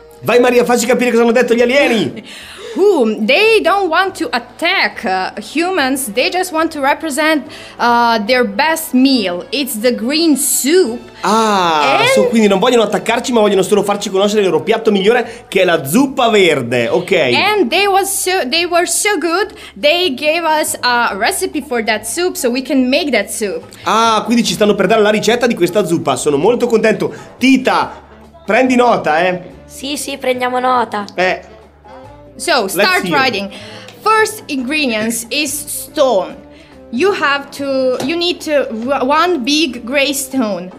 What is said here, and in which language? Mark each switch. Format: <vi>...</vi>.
<it>Vai Maria, facci capire cosa hanno detto gli alieni.</it> <en>Who? They don't want to attack humans. They just want to represent their best meal. It's the green soup.</en> <it>So quindi non vogliono attaccarci, ma vogliono solo farci conoscere il loro piatto migliore, che è la zuppa verde. Ok.</it> <en>And they were so good. They gave us a recipe for that soup, so we can make that soup.</en> <it>Ah, quindi ci stanno per dare la ricetta di questa zuppa. Sono molto contento. Tita, prendi nota, eh. Sì, prendiamo nota.</it> <en>So, start writing. First ingredients is stone. You need to one big gray stone.</en>